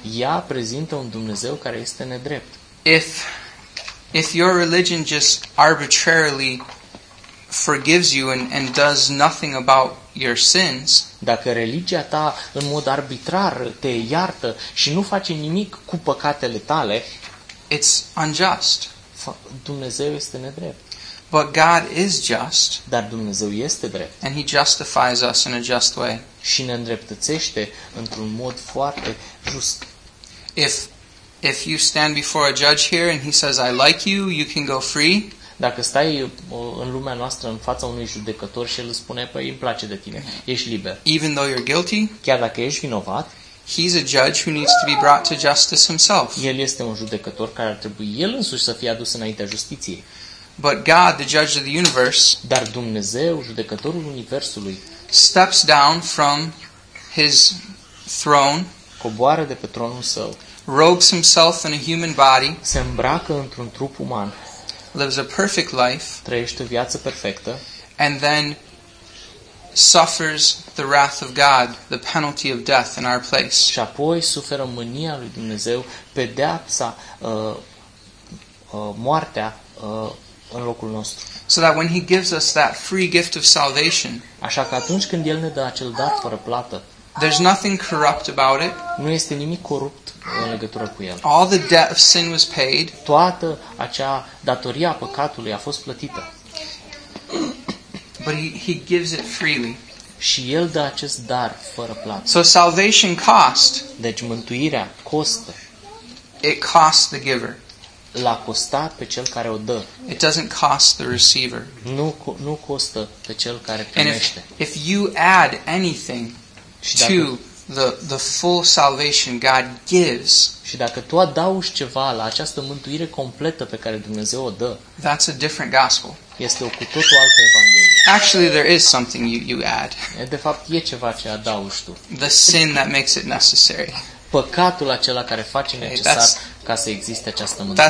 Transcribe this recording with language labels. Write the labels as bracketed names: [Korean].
[Romanian] Ea prezintă un Dumnezeu care este nedrept. [English] If If your religion just arbitrarily forgives you and does nothing about your sins, [Romanian] dacă religia ta în mod arbitrar te iartă și nu face nimic cu păcatele tale, [English] it's unjust. [Romanian] Dumnezeu este nedrept. [English] But God is just. [Romanian] Dar Dumnezeu este drept. [English] And He justifies us in a just way. [Romanian] Și ne îndreptățește într-un mod foarte just. [English] If you stand before a judge here and he says I like you, you can go free. [Romanian] Dacă stai în lumea noastră în fața unui judecător și el îți spune, păi, îmi place de tine, ești liber. [English] Even though you're guilty, [Romanian] chiar dacă ești vinovat, [English] he's a judge who needs to be brought to justice himself. [Romanian] El este un judecător care ar trebui el însuși să fie adus înaintea justiției. [English] But God, the judge of the universe, [Romanian] dar Dumnezeu, judecătorul universului, [English] steps down from his throne, [Romanian] coboară de pe tronul său, [English] robes himself in a human body, [Romanian] se îmbracă într-un trup uman, [English] lives a perfect life, [Romanian] trăiește o viață perfectă, [English] and then suffers the wrath of God, the penalty of death in our place. [Romanian] Și apoi suferă mânia lui Dumnezeu, pedeapsa, moartea, în locul nostru. [English] So that when he gives us that free gift of salvation, [Romanian] așa că atunci când el ne dă acel dar fără plată, [English] there's nothing corrupt about it. [Romanian] Nu este nimic corupt în legătură cu el. [English] All the debt of sin was paid. [Romanian] Toată acea datorie a păcatului a fost plătită. [English] But he gives it freely. [Romanian] Și el dă acest dar fără plată. [English] So salvation cost. [Romanian] Deci mântuirea costă. [English] It costs the giver. [Romanian] L-a costat pe cel care o dă. [English] It doesn't cost the receiver. [Romanian] Nu costă pe cel care primește. [English] If you add anything to the full salvation God gives, [Romanian] și dacă tu adaugi ceva la această mântuire completă pe care Dumnezeu o dă, [English] that's a different gospel. [Romanian] Este o cu totul altă evanghelie. [English] Actually, there is something you add. [Romanian] De fapt, e ceva ce adaugi tu. [English] The sin that makes it necessary. [Romanian] Păcatul acela care face necesar ca să existe această mântuire.